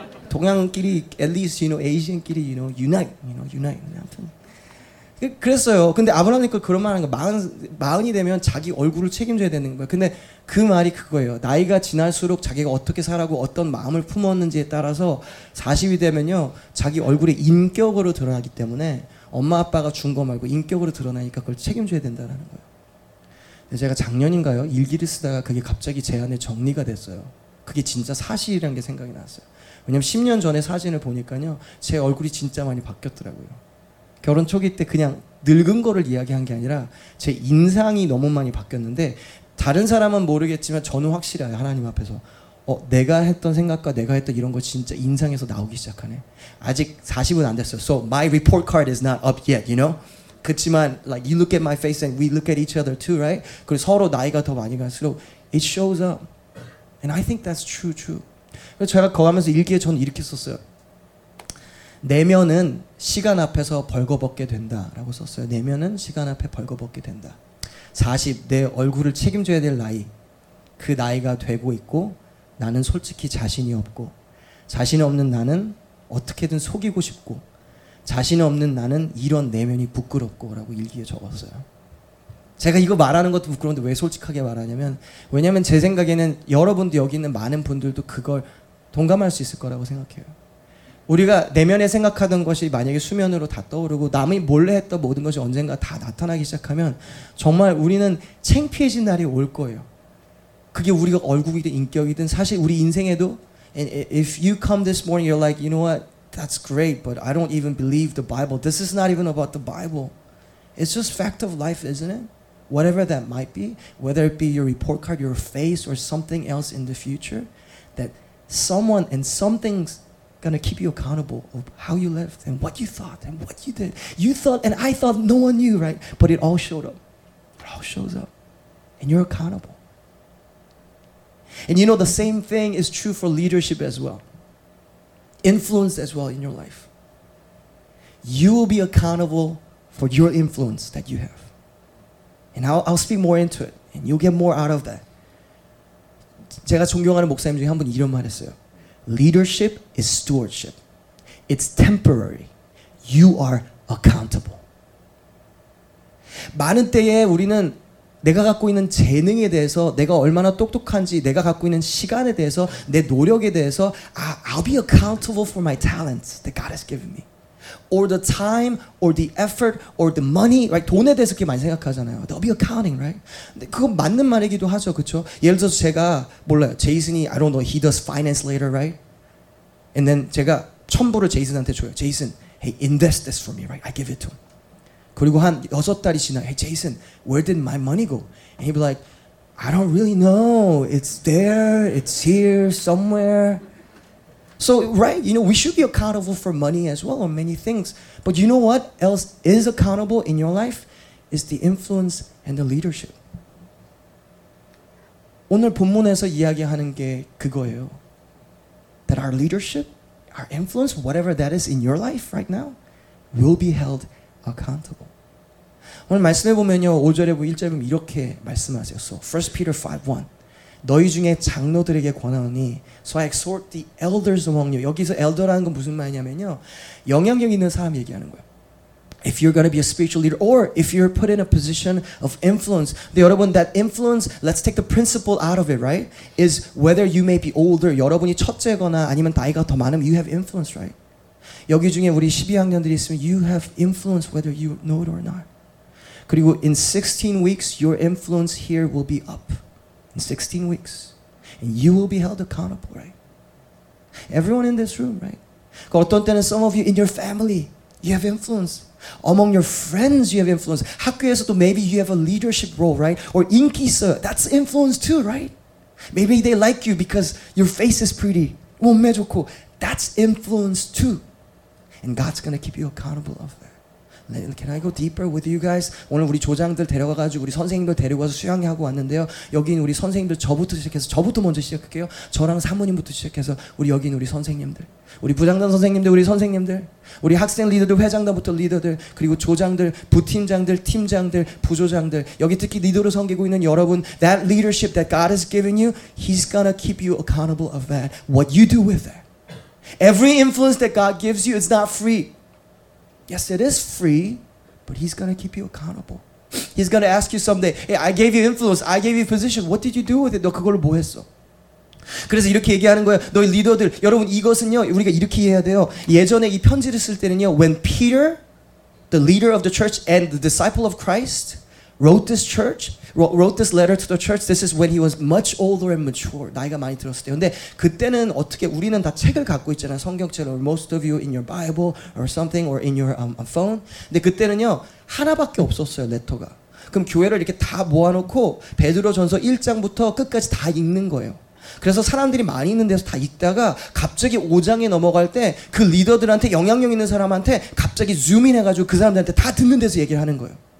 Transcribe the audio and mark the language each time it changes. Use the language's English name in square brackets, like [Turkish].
[English] 동양끼리, at least, you know, Asian끼리, you know, unite, you know, unite. 아무튼 [Korean] 그랬어요. 근데 아브라함이 그런 말 하는 거, 마흔이 되면 자기 얼굴을 책임져야 되는 거예요. 근데 그 말이 그거예요. 나이가 지날수록 자기가 어떻게 살아가고 어떤 마음을 품었는지에 따라서 40이 되면요, 자기 얼굴에 인격으로 드러나기 때문에 엄마 아빠가 준 거 말고 인격으로 드러나니까 그걸 책임져야 된다는 거예요. 제가 작년인가요? 일기를 쓰다가 그게 갑자기 제 안에 정리가 됐어요. 그게 진짜 사실이라는 게 생각이 났어요. 왜냐면 10년 전에 사진을 보니까요, 제 얼굴이 진짜 많이 바뀌었더라고요. 결혼 초기 때 그냥 늙은 거를 이야기한 게 아니라 제 인상이 너무 많이 바뀌었는데, 다른 사람은 모르겠지만 저는 확실해요. 하나님 앞에서 내가 했던 생각과 내가 했던 이런 거 진짜 인상에서 나오기 시작하네. 아직 40은 안 됐어요. [English] So my report card is not up yet, you know? [Korean] 그렇지만 [English] like you look at my face and we look at each other too, right? [Korean] 그리고 서로 나이가 더 많이 갈수록 [English] it shows up. And I think that's true, true. [Korean] 제가 거하면서 일기에 저는 이렇게 썼어요. 내면은 시간 앞에서 벌거벗게 된다 라고 썼어요. 내면은 시간 앞에 벌거벗게 된다. 40, 내 얼굴을 책임져야 될 나이. 그 나이가 되고 있고 나는 솔직히 자신이 없고, 자신 없는 나는 어떻게든 속이고 싶고, 자신 없는 나는 이런 내면이 부끄럽고 라고 일기에 적었어요. 제가 이거 말하는 것도 부끄러운데 왜 솔직하게 말하냐면, 왜냐면 제 생각에는 여러분도 여기 있는 많은 분들도 그걸 동감할 수 있을 거라고 생각해요. 우리가 내면에 생각하던 것이 만약에 수면으로 다 떠오르고 남이 몰래 했던 모든 것이 언젠가 다 나타나기 시작하면 정말 우리는 창피해진 날이 올 거예요. 그게 우리가 얼굴이든 인격이든 사실 우리 인생에도. [English] And if you come this morning, you're like, you know what? That's great, but I don't even believe the Bible. This is not even about the Bible. It's just fact of life, isn't it? Whatever that might be, whether it be your report card, your face, or something else in the future, that someone and something's gonna keep you accountable of how you lived and what you thought and what you did. You thought and I thought no one knew, right? But it all showed up. It all shows up. And you're accountable. And you know, the same thing is true for leadership as well. Influence as well in your life. You will be accountable for your influence that you have. And I'll speak more into it. And you'll get more out of that. [Korean] 제가 존경하는 목사님 중에 한 분이 이런 말 했어요. [English] Leadership is stewardship. It's temporary. You are accountable. [Korean] 많은 때에 우리는 내가 갖고 있는 재능에 대해서, 내가 얼마나 똑똑한지, 내가 갖고 있는 시간에 대해서, 내 노력에 대해서 [English] I'll be accountable for my talents that God has given me. Or the time, or the effort, or the money, right? [Korean] 돈에 대해서 그렇게 많이 생각하잖아요. [English] There'll be accounting, right? [Korean] 근데 그건 맞는 말이기도 하죠, 그쵸? 예를 들어서 제가, 몰라요. [English] 제이슨이, I don't know, he does finance later, right? And then [Korean] 제가 첨부를 제이슨한테 줘요. [English] 제이슨, hey, invest this for me, right? I give it to him. [Korean] 그리고 한 여섯 달이 지나, [English] hey, Jason, where did my money go? And he'd be like, I don't really know. It's there, it's here, somewhere. So, right, you know, we should be accountable for money as well on many things. But you know what else is accountable in your life? It's the influence and the leadership. [Korean] 오늘 본문에서 이야기하는 게 그거예요. [English] That our leadership, our influence, whatever that is in your life right now, will be held accountable. [Korean] 오늘 말씀해 보면요, 5절에 보면 1절에 보면 이렇게 말씀하세요. [English] So, 1 Peter 5:1. [Korean] 너희 중에 장로들에게 권하노니, [English] so I exhort the elders among you. [Korean] 여기서 elder라는 건 무슨 말이냐면요, 영향력 있는 사람 얘기하는 거예요. [English] If you're going to be a spiritual leader, or if you're put in a position of influence, [Korean] 근데 여러분, [English] that influence, let's take the principle out of it, right? Is whether you may be older, [Korean] 여러분이 첫째거나 아니면 나이가 더 많으면 [English] you have influence, right? [Korean] 여기 중에 우리 12학년들이 있으면 [English] you have influence whether you know it or not. 그리고 in 16 weeks, your influence here will be up. In 16 weeks. And you will be held accountable, right? Everyone in this room, right? [Korean] 어떤 때는 [English] some of you in your family, you have influence. Among your friends, you have influence. 학교에서도 maybe you have a leadership role, right? Or [Korean] 인기 있어. [English] That's influence too, right? Maybe they like you because your face is pretty. [Korean] 몸매 좋고. [English] That's influence too. And God's going to keep you accountable of that. Can I go deeper with you guys? [Korean] 오늘 우리 조장들 데려가가지고 우리 선생님들 데려가서 수양회 하고 왔는데요. 여기 있는 우리 선생님들 저부터 시작해서, 저부터 먼저 시작할게요. 저랑 사모님부터 시작해서 우리 여기 있는 우리 선생님들, 우리 부장단 선생님들, 우리 선생님들, 우리 학생 리더들, 회장단부터 리더들, 그리고 조장들, 부팀장들, 팀장들, 부조장들, 여기 특히 리더로 섬기고 있는 여러분, [English] that leadership that God has given you, He's gonna keep you accountable of that. What you do with that. Every influence that God gives you, it's not free. Yes, it is free, but But he's going to keep you accountable. He's going to ask you someday, hey, I gave you influence. I gave you position. What did you do with it? [Korean] 너 그걸 뭐 했어? 그래서 이렇게 얘기하는 거예요. 너희 리더들, 여러분 이것은요, 우리가 이렇게 이해해야 돼요. 예전에 이 편지를 쓸 때는요, [English] when Peter, the leader of the church and the disciple of Christ, wrote this church, wrote this letter to the church, this is when he was much older and mature. [Korean] 나이가 많이 들었을 때. 근데 그때는 어떻게, 우리는 다 책을 갖고 있잖아요. [English] 성경책을, most of you in your Bible or something or in your phone. [Korean] 근데 그때는요, 하나밖에 없었어요, 레터가. 그럼 교회를 이렇게 다 모아놓고 베드로 전서 1장부터 끝까지 다 읽는 거예요. 그래서 사람들이 많이 있는 데서 다 있다가 갑자기 5장에 넘어갈 때 그 리더들한테 영향력 있는 사람한테 갑자기 줌인 해가지고 그 사람들한테 다 듣는 데서 얘기를 하는 거예요.